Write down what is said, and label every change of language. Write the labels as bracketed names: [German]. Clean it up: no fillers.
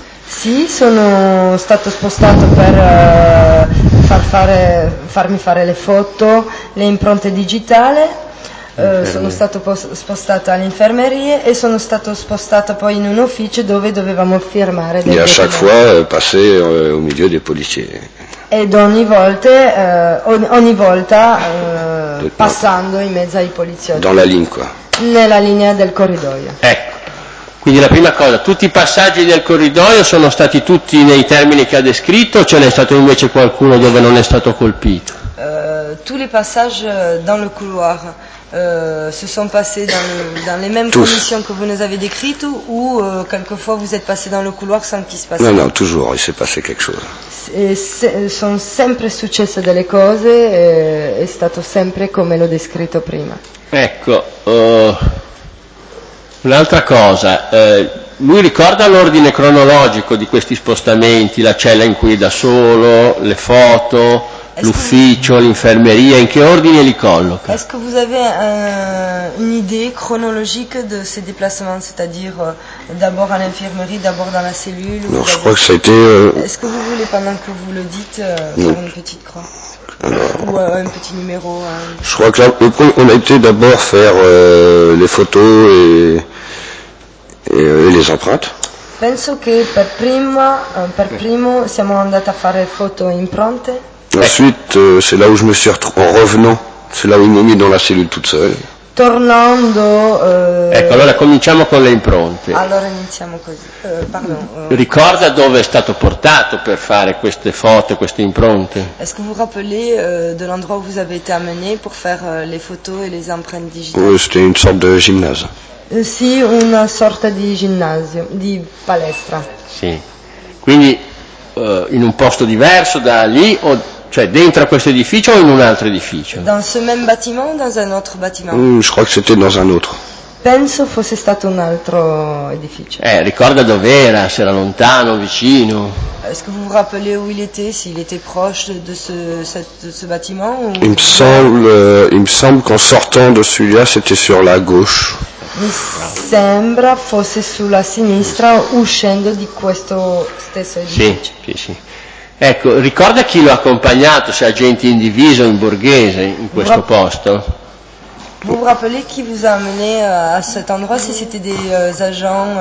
[Italian] Sì, sono stato spostato per farmi fare le foto, le impronte digitali. Sono stato spostato all'infermeria e sono stato spostato poi in un ufficio dove dovevamo firmare. [French] E a chaque fois passé au milieu des policiers. [Italian] Ed ogni volta passando in mezzo ai poliziotti. [French] Dans la ligne, quoi. [Italian] Nella linea del corridoio. Ecco. Quindi la prima cosa, tutti i passaggi del corridoio sono stati tutti nei termini che ha descritto o ce n'è stato invece qualcuno dove non è stato colpito? [French] Tous les passages dans le couloir se sont passés dans les mêmes conditions que vous nous avez décrites ou quelquefois vous êtes passé dans le couloir sans qu'il se passe rien? Non, toujours, il s'est passé quelque chose. [Italian] Sono sempre successe delle cose e è stato sempre come l'ho descritto prima. Ecco, un'altra cosa, lui ricorda l'ordine cronologico di questi spostamenti, la cella in cui è da solo, le foto, l'ufficio, l'infermeria, in che ordine li colloca? [French] Est-ce que vous avez une idée chronologique de ces déplacements, c'est-à-dire d'abord à l'infirmerie, d'abord dans la cellule? Non, je crois que ça a été... Est-ce que vous voulez, pendant que vous le dites, faire une petite croix? Ou un petit numéro Je crois que là, on a été d'abord faire les photos et les empreintes. [Italian] Penso che per primo siamo andati a fare foto e impronte. [French] Ensuite, c'est là où je me suis retrouvé, en revenant, c'est là où ils m'ont mis dans la cellule toute seule. [Italian] Tornando... Ecco, allora cominciamo con le impronte. Allora iniziamo così, Ricorda dove è stato portato per fare queste foto, queste impronte? [French] Est-ce que vous rappelez de l'endroit où vous avez été amené pour faire les photos et les empreintes digitales? Oui, c'était une sorte de gymnase. [Italian] Sì, una sorta di ginnasio, di palestra. Sì, quindi in un posto diverso da lì o... Cioè, dentro a questo edificio o in un altro edificio? [French] Dans ce même bâtiment ou dans un autre bâtiment? Je crois que c'était dans un autre. [Italian] Penso fosse stato un altro edificio. Ricorda dov'era, se era lontano, vicino. [French] Est-ce que vous vous rappelez où il était, s'il était proche de ce bâtiment ou... Il me semble qu'en sortant de celui-là, c'était sur la gauche. [Italian] Mi sembra fosse sulla sinistra uscendo di questo stesso edificio. Sì, sì, sì. Ecco, ricorda chi l'ha accompagnato, se agenti in divisa o in borghese, in questo posto? [French] Vous vous rappelez qui vous a amené à cet endroit, si c'était des agents,